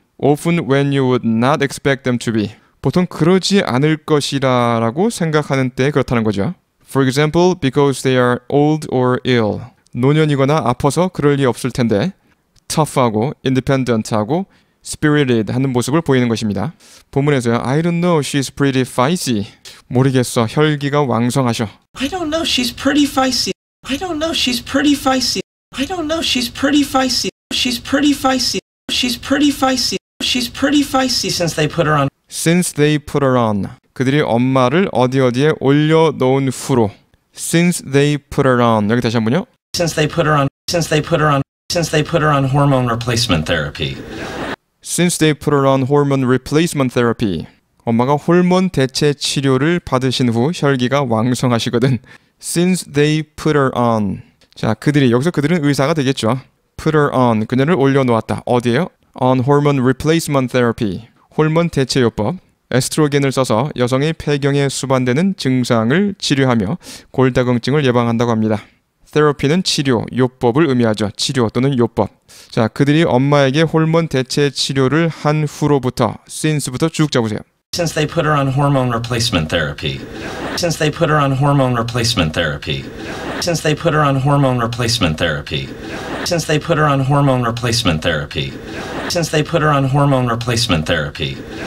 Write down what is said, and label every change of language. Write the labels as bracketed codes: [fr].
[en] Often when you would not expect them to be. [ko] 보통 그러지 않을 것이라고 생각하는 때 그렇다는 거죠. [en] For example, because they are old or ill. [ko] 노년이거나 아파서 그럴 리 없을 텐데 tough하고 independent하고 spirited하는 모습을 보이는 것입니다. 본문에서요. [en] I don't know, she's pretty feisty. [ko] 모르겠어, 혈기가 왕성하셔. [en] I don't know, she's pretty feisty. I don't know, she's pretty feisty. I don't know, she's pretty feisty. She's pretty feisty. She's pretty feisty. She's pretty feisty since they put her on. Since they put her on. [ko] 그들이 엄마를 어디어디에 올려놓은 후로. [en] Since they put her on. [ko] 여기 다시 한 번요. [en] Since they put her on. Since they put her on. Since they put her on hormone replacement therapy. Since they put her on hormone replacement therapy. [ko] 엄마가 호르몬 대체 치료를 받으신 후 혈기가 왕성하시거든. [en] Since they put her on. [ko] 자, 그들이. 여기서 그들은 의사가 되겠죠. [en] Put her on. [ko] 그녀를 올려놓았다. 어디에요? [en] On hormone replacement therapy. [ko] 호르몬 대체요법. 에스트로겐을 써서 여성의 폐경에 수반되는 증상을 치료하며 골다공증을 예방한다고 합니다. Therapy는 치료, 요법을 의미하죠. 치료 또는 요법. 자, 그들이 엄마에게 호르몬 대체 치료를 한 후로부터, since부터 쭉 적으세요. [en] Since they put her on hormone replacement therapy. Since they put her on hormone replacement therapy. Since they put her on hormone replacement therapy. Since they put her on hormone replacement therapy. Since they put her on hormone replacement therapy.